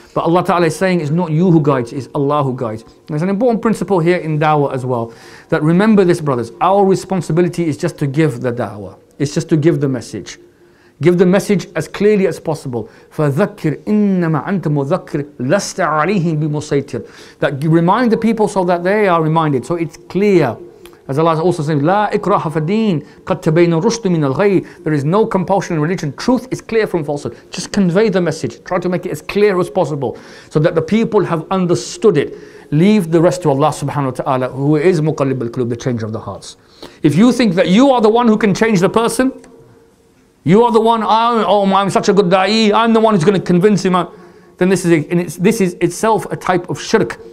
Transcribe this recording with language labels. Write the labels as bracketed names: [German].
[English] But Allah Ta'ala is saying, it's not you who guides, it's Allah who guides. There's an important principle here in da'wah as well, that remember this, brothers, our responsibility is just to give the da'wah. It's just to give the message. Give the message as clearly as possible. [Arabic] فَذَكِّرْ إِنَّمَا أَنْتَ مُذَكِّرْ لَسْتَ عَلَيْهِمْ بِمُسَيْتِرْ. [English] That remind the people so that they are reminded, so it's clear. As Allah also says, [Arabic] لا إكراه في الدين قد تبين الرشد من الغي. [English] There is no compulsion in religion. Truth is clear from falsehood. Just convey the message. Try to make it as clear as possible, so that the people have understood it. Leave the rest to Allah subhanahu wa ta'ala, who is [Arabic] مقلب القلوب, [English] the change of the hearts. If you think that you are the one who can change the person, you are the one, I'm such a good da'i, I'm the one who's going to convince him, then this is itself a type of shirk.